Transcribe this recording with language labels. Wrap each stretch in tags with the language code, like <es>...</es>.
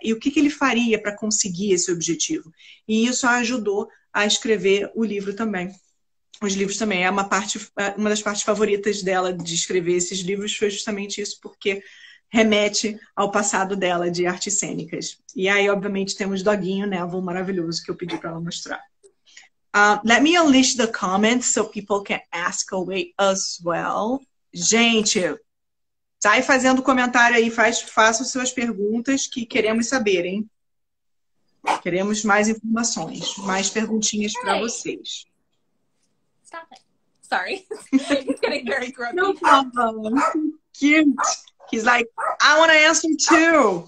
<pt>E o que que ele faria para conseguir esse objetivo? E isso ajudou a escrever o livro também. Os livros também. É uma das partes favoritas dela de escrever esses livros, foi justamente isso, porque remete ao passado dela de artes cênicas. E aí, obviamente, temos Doguinho, né? Avô maravilhoso que eu pedi para ela mostrar.</pt> <en>Let me unleash the comments so people can ask away as well.</en> <pt>Gente, sai fazendo comentário aí, faça suas perguntas que queremos saber, hein? Queremos mais informações, mais perguntinhas para vocês.</pt> <en>Stop it. Sorry. He's getting very grumpy. No problem. Cute. He's like, I want to answer too.</en>